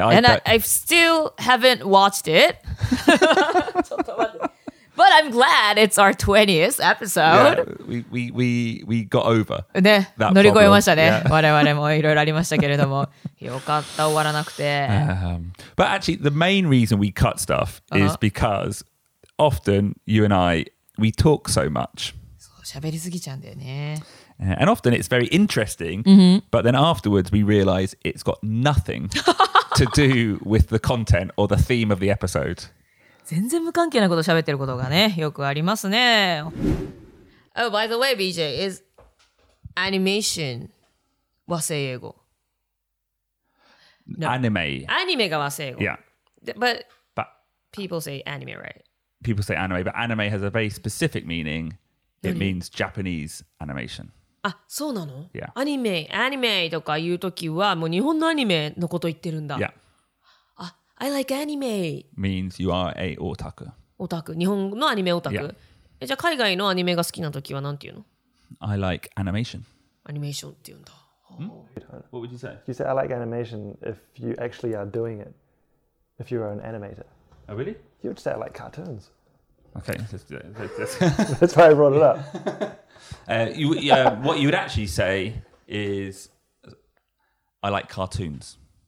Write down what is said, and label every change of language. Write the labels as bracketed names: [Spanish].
[English] I still haven't watched it. [Japanese] ちょっと待って。 [English] But I'm glad it's our 20th episode. Yeah, we got over. [Japanese] ね、乗り越えましたね。 Yeah. 我々もいろいろありましたけれども、よかった終わらなくて。 [English] But actually, the main reason we cut stuff is、uh-huh. because often you and I we talk so much. [Japanese] そう、喋りすぎちゃうんだよね。 [English] And often it's very interesting,、 mm-hmm. but then afterwards we realize it's got nothing to do with the content or the theme of the episode. [Japanese] 全然無関係なこと喋ってることがね、よくありますね。 [English] Oh, by the way, BJ, is animation 和製英語? No. Anime. [Japanese] アニメが和製英語。 [English] Yeah. But people say anime, right? People say anime, but anime has a very specific meaning. It means Japanese animation. [Japanese] あ、そうなの? [English] Yeah. [Japanese] アニメとか言うときは、もう日本のアニメのこと言ってるんだ。 [English] Yeah. I like anime. Means you are a otaku. [Japanese] Otaku. 日本のアニメオタク。じゃあ海外のアニメが好きな時はなんて言うの? [English] I like animation. [Japanese] Animation って言うんだ。 [English] What would you say? You say I like animation if you actually are doing it. If you are an animator. Oh really? You would say I like cartoons. Okay. That's why I brought it up. What you would actually say is, I like cartoons.